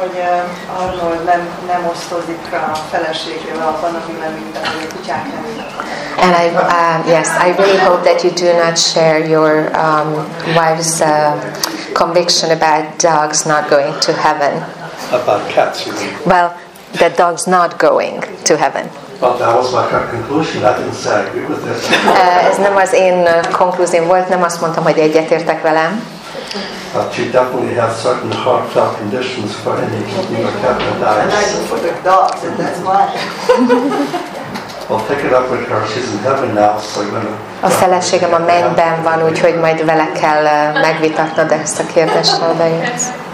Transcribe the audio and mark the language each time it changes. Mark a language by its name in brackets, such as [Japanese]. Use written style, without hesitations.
[Hungarian] hogy Arnold nem osztozik a feleségével abban a véleményben, hogy a kutyák nem ültek. [English] And I really hope that you do not share your wife's conviction about dogs not going to heaven. About cats, you mean? Well, that dogs not going to heaven. But that was my conclusion. I didn't say I agree with this. [Hungarian] Ez nem az én konklúzióm volt, nem azt mondtam, hogy egyetértek velem. [English] But she definitely has certain heartfelt conditions for any human cat that dies. And I do for the dogs, and that's why. Well, pick it up with her. She's in heaven now, so I'm gonna. [Hungarian] A feleségem a mennyben van, úgyhogy majd vele kell megvitatnod ezt a kérdést, ha bejutsz.